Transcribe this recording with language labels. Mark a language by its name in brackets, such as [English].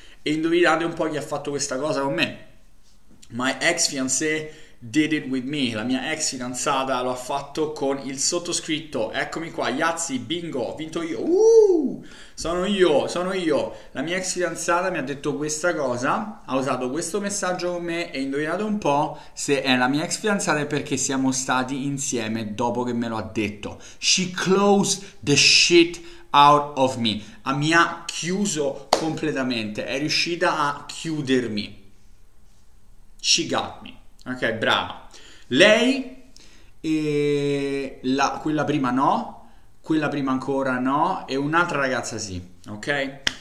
[Italian] E indovinate un po' chi ha fatto questa cosa con me. [English] My ex fiancé did it with me, [Italian] la mia ex fidanzata lo ha fatto con il sottoscritto. Eccomi qua, Yazzi, bingo, ho vinto io. Sono io, sono io. La mia ex fidanzata mi ha detto questa cosa, ha usato questo messaggio con me e indovinate un po' se è la mia ex fidanzata è perché siamo stati insieme dopo che me lo ha detto. [English] She closed the shit out of me. [Italian] Mi ha chiuso completamente, è riuscita a chiudermi. [English] She got me. [Italian] Ok, brava. Lei, quella prima no, quella prima ancora no, e un'altra ragazza sì, ok?